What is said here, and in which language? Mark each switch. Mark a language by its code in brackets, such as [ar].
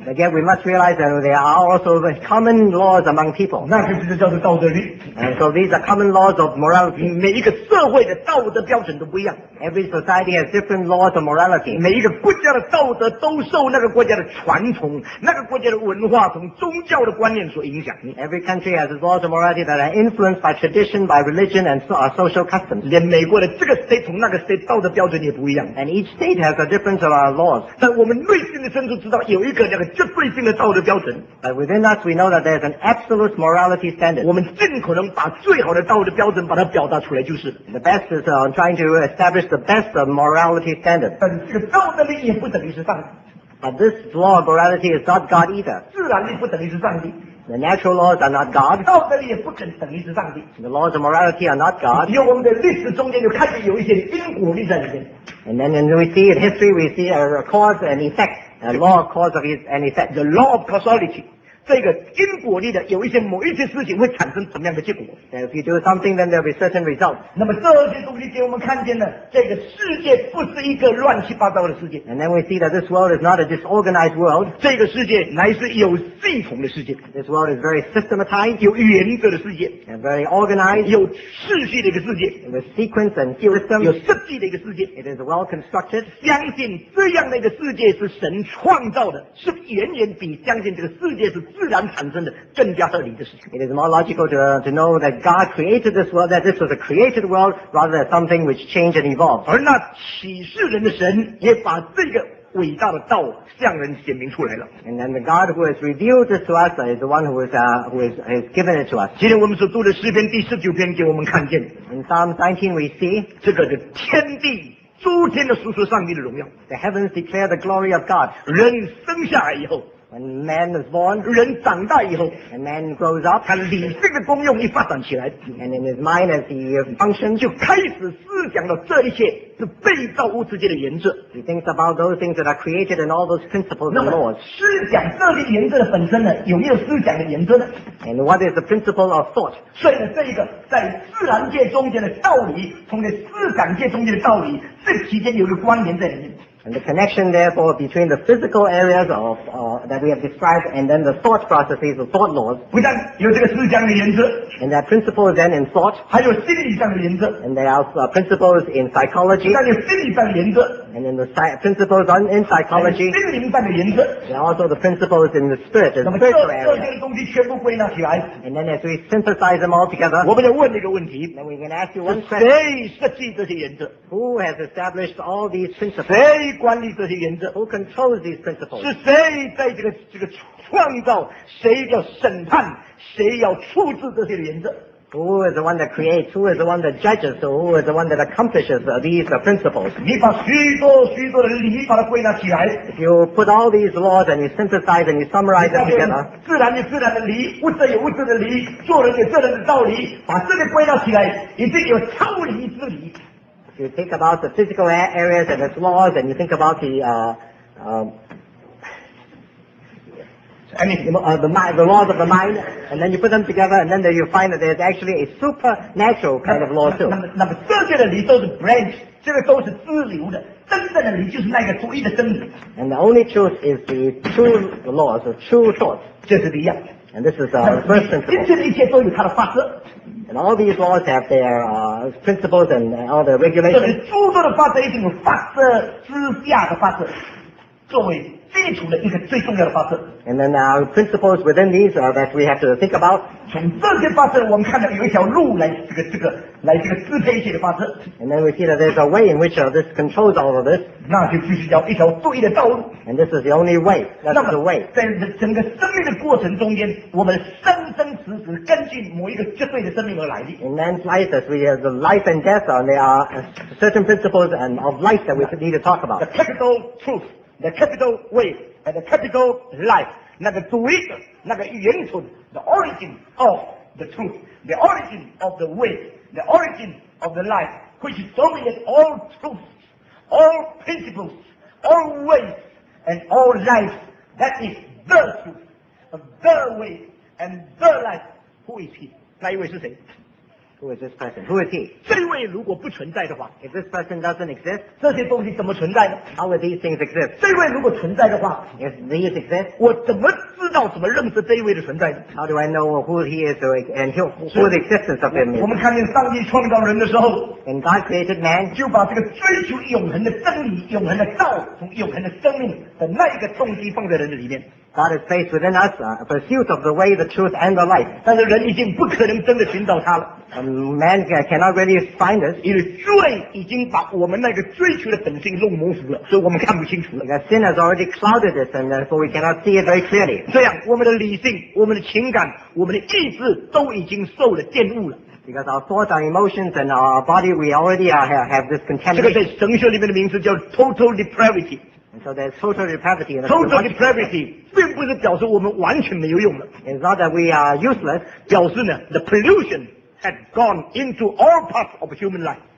[en] Again, we must realize that there are also the common laws among people. [zh] 那就是叫做道德律。 [en] And so these are common laws of morality. [zh] 每一个社会的道德标准都不一样。 [en] Every society has different laws of morality. [zh] 每一个国家的道德都受那个国家的传统、那个国家的文化、从宗教的观念所影响。 [en] Every country has its laws of morality that are influenced by tradition, by religion, and our social customs. [zh] 连美国的这个 state 从那个 state 道德标准也不一样。 [en] And each state has a difference of our laws. [zh] 但我们内心的深处知道有一个那个绝对性的道德标准。 [en] But within us, we know that there is an absolute morality standard. [zh] 我们尽可能把最好的道德标准把它表达出来就是。 [en] The best is on trying to establish. The best of morality standard. [zh] 但这个道德力也不等于是上帝。 [en] But this law of morality is not God either. [zh] 自然力不等于是上帝。 [en] The natural laws are not God. [zh] 道德力也不肯等于是上帝。 [en] The laws of morality are not God. [zh] 因为我们的历史中间就看见有一些因果力在里面。 [en] And then when we see in history, we see a cause and effect, a law of cause and effect. The law of causality. [zh] 这个因果力的有一些某一些事情会产生什么样的结果。 [en] And if you do something, then there'll be certain results. [zh] 那么这些东西给我们看见了，这个世界不是一个乱七八糟的世界。 [en] And then we see that this world is not a disorganized world. [zh] 这个世界乃是有系统的世界。 [en] This world is very systematized. [zh] 有原则的世界。 [en] And very organized. [zh] 有秩序的一个世界。 [en] With sequence and system. [zh] 有设计的一个世界。 [en] It is well constructed. [zh] 相信这样的一个世界是神创造的，是远远比相信这个世界是自然产生的更加合理的事情。 [en] It is more logical to know that God created this world, that this was a created world, rather than something which changed and evolved. [zh] 而那启示人的神也把这个伟大的道向人显明出来了。 [en] And then the God who has revealed this to us is the one who has given it to us. [zh] 今天我们所读的诗篇第十九篇给我们看见。 [en] In Psalm 19 we see [zh] 这个是天地诸天的述说上帝的荣耀。 [en] The heavens declare the glory of God. [zh] 人生下来以后。 [en] When man is born, [zh] 人长大以后 [en] and man grows up, [zh] 他理性的功用一发展起来 [en] and in his mind as he functions, [zh] 就开始思想了这一切是被造物之间的原则 [en] he thinks about those things that are created and all those principles and laws. [zh] 思想这些原则的本身呢有没有思想的原则呢 [en] and what is the principle of thought? [zh] 所以呢这一个在自然界中间的道理从这思想界中间的道理这期间有一个关联在里面 [en] And the connection, therefore, between the physical areas of, that we have described and then the thought processes, the thought laws. [zh] 不但有这个思想的原则 [en] And that principle is then in thought. [zh] 还有心理上的原则 [en] And there are also principles in psychology. [zh] 不但有心理上的原则 [en] And then the principles on, in psychology. [zh] 还有心灵上的原则 [en] There are also the principles in the spirit, the spiritual area. And then as we synthesize them all together. [zh] 我们要问一个问题 [en] Then we can ask you one question. [zh] 谁设计这些原则 [en] Who has established all these principles? [zh] 谁管理这些原则 [en] Who controls these principles? [zh] 是谁在这个创造谁要审判谁要处置这些原则 [en] Who is the one that creates? Who is the one that judges? So who is the one that accomplishes these principles? [zh] 你把许多许多的理把它归纳起来 [en] If you put all these laws and you synthesize and you summarize them together [zh] 自然有自然的理物质有物质的理做人有做人的道理把这个归纳起来已经有超理之理 [en] You think about the physical areas and its laws, and you think about the laws of the mind, and then you put them together, and then you find that there's actually a supernatural kind of law too. [zh] 那么这些的理都是 branch, 这个都是支流的。真正的理就是那个独一的真理。 [en] And the only truth is the true laws, the true thoughts. [zh] 这是第一。 [en] And this is the first principle. [zh] 今天的一切都有它的法则。 [en] And all these laws have their principles and all their regulations. [zh] 这里诸多的法则一定有法则之下的法则，作为基础的一个最重要的法则。 [en] And then our principles within these are that we have to think about. [zh] 从这些法则，我们看到有一条路来这个支配一切的法则。 [en] And then we see that there's a way in which this controls all of this. [zh] 那就必须要一条对的道路。 [en] And this is the only way. That's the way. [zh] 在整个生命的过程中间，我们生死根据某一个绝对的生命而来的。 [en] In man's life, as we have the life and death, and there are certain principles and of life that we need to talk about. The capital truth, the capital way, and the capital life. [zh] 那个主义的，那个源头 [en] the origin of the truth, the origin of the way, the origin of the life, which dominates all truths, all principles, all ways, and all life. That is the truth, the way. And the life, who is he? [zh] 那一位是谁？ [en] Who is this person? Who is he? [zh] 这一位如果不存在的话， [en] If this person doesn't exist, [zh] 这些东西怎么存在呢？ [en] How would these things exist? [zh] 这一位如果存在的话， [en] If these exist, [zh] 我怎么知道怎么认识这一位的存在呢？ [en] How do I know who he is and who the existence of him is? [zh] 我们看见上帝创造人的时候， [en] When God created man, [zh] 就把这个追求永恒的真理、永恒的道、从永恒的生命的那一个动机放在人的里面。 [en] God has placed within us a pursuit of the way, the truth, and the life. [zh] 但是人已经不可能真的寻找它了。 [en] Man cannot really find it. [zh] 因为罪已经把我们那个追求的本性弄模糊了，所以我们看不清楚了。 [en] Because sin has already clouded us, and therefore we cannot see it very clearly. [zh] 这样，我们的理性、我们的情感、我们的意志都已经受了玷污了。 [en] Because our thoughts, our emotions, and our body, we already have this contamination. [zh] 这个在神学里面的名字叫 total depravity. [en] And so there's total depravity in the world. Total depravity [zh] 并不是表示我们完全没有用了。 [en] It's not that we are useless. [zh] 表示呢 [en] the pollution had gone into all parts of human life.